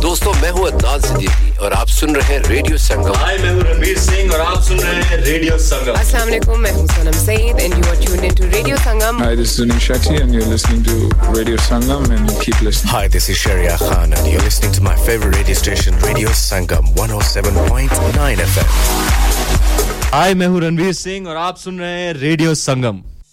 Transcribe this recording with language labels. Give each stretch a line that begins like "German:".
Hindi: दोस्तों, मैं हूँ अदनान सिद्दीकी और आप सुन रहे हैं Radio Sangam. Hi, मैं हूँ रणवीर सिंह और आप सुन रहे हैं Radio Sangam. अस्सलाम वालेकुम, मैं हूँ Sonam Saeed
English: and you are tuned into
Hindi: Radio Sangam.
English: Hi, this is Anil Shetty and you're listening to Radio Sangam and keep listening. Hi, this is Sharia Khan and you're listening to my favorite radio station, Radio Sangam 107.9 FM.
Hindi: Hi, मैं हूँ रणवीर सिंह और आप सुन रहे हैं Radio Sangam.